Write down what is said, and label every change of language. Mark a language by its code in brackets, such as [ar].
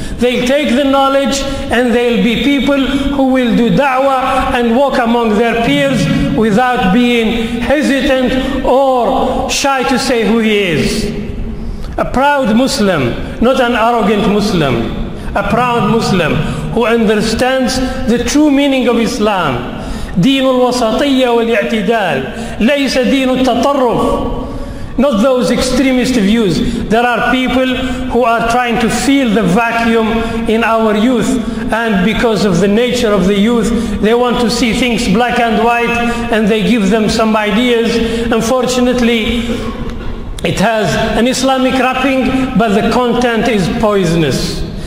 [en] They take the knowledge and they'll be people who will do da'wah and walk among their peers without being hesitant or shy to say who he is. A proud Muslim, not an arrogant Muslim. A proud Muslim who understands the true meaning of Islam. [ar] دين الوسطية والاعتدال ليس دين التطرف. [en] Not those extremist views. There are people who are trying to fill the vacuum in our youth. And because of the nature of the youth, they want to see things black and white, and they give them some ideas. Unfortunately, it has an Islamic wrapping, but the content is poisonous.